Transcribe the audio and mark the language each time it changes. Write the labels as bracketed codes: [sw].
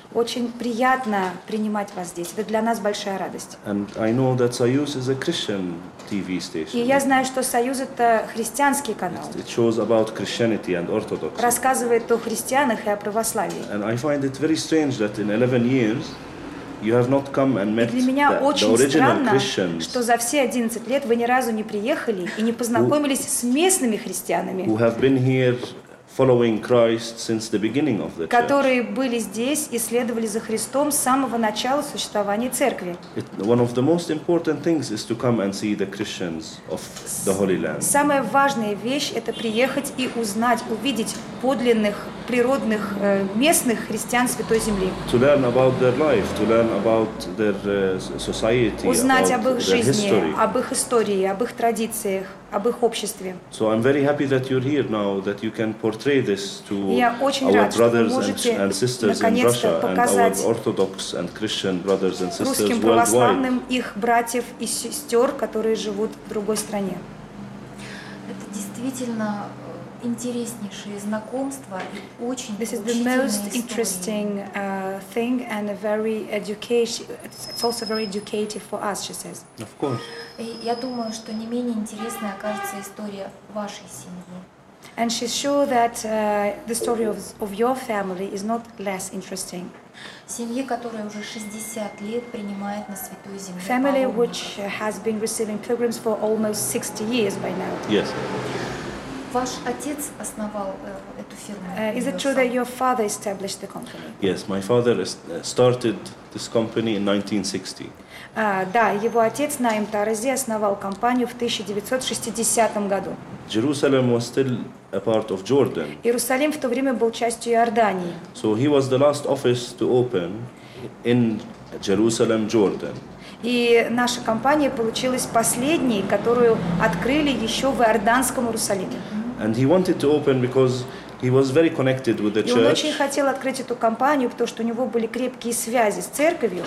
[ru] Очень приятно принимать вас здесь. Это для нас большая радость. [en] And I know that Союз is a Christian TV station. [ru] И я знаю, что Союз — это христианский канал. [en] It shows about Christianity and Orthodoxy. [ru] Рассказывает о христианах и о православии. [en] And I find it very strange that in 11 years you have not come and met the original Christians. [ru] Что за все 11 лет вы ни разу не приехали и не познакомились с местными христианами. [en] Who have been here following Christ since the beginning of the church. [ru] Которые были здесь и следовали за Христом с самого начала существования церкви. [en] One of the most important things is to come and see the Christians of the Holy Land. [ru] Самая важная вещь — это приехать и узнать, увидеть подлинных, природных, местных христиан Святой Земли. [en] To learn about their life, to learn about their society, [ru] узнать об их жизни, [en] their history. [ru] Об их истории, об их традициях, об их обществе. [en] So I'm very happy that you're here now, that you can portray this to our brothers and sisters in Russia and our Orthodox and Christian brothers and sisters worldwide. [ru] Русским православным их братьев и сестер, которые живут в другой стране. Это действительно интереснейшие знакомства и очень учительные истории. [en] This is the most interesting thing and a very education. It's also very educative for us, she says. Of course. [ru] Я думаю, что не менее интересной окажется история вашей семьи. [en] And she's sure that the story of your family is not less interesting. [ru] Семьи, которая уже 60 лет принимает на Святую Землю. [en] Family which has been receiving pilgrims for almost 60 years by now. Yes. [ru] Ваш отец основал эту фирму. [en] Is it true that your father established the company? Yes, my father started this company in 1960. [ru] Да, его отец Наим Тарази основал компанию в 1960 году. [en] Jerusalem was still a part of Jordan. [ru] Иерусалим в то время был частью Иордании. [en] So he was the last office to open in Jerusalem, Jordan. [ru] И наша компания получилась последней, которую открыли еще в Иорданском Иерусалиме. [en] And he wanted to open because he was very connected with the church. [ru] И он очень хотел открыть эту компанию, потому что у него были крепкие связи с церковью.